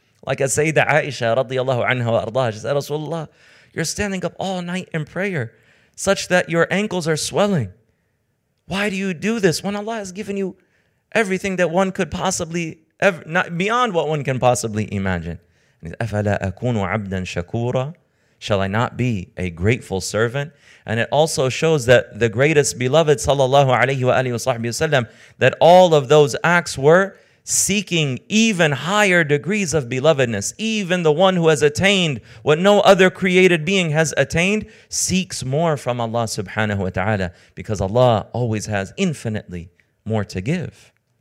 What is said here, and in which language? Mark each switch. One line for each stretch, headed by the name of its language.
English: Like as Sayyida Aisha radiallahu anha wa ardaha, she said, Rasulullah, you're standing up all night in prayer such that your ankles are swelling. Why do you do this when Allah has given you everything that one could possibly ever, not beyond what one can possibly imagine? And he says,
Arabic: أَفَلَا أَكُونُ عَبْدًا شَكُورًا?
English: Shall I not be a grateful servant? And it also shows that the greatest beloved, sallallahu alayhi wa alihi wa sallam, that all of those acts were seeking even higher degrees of belovedness. Even the one who has attained what no other created being has attained seeks more from Allah subhanahu wa ta'ala, because Allah always has infinitely more to give.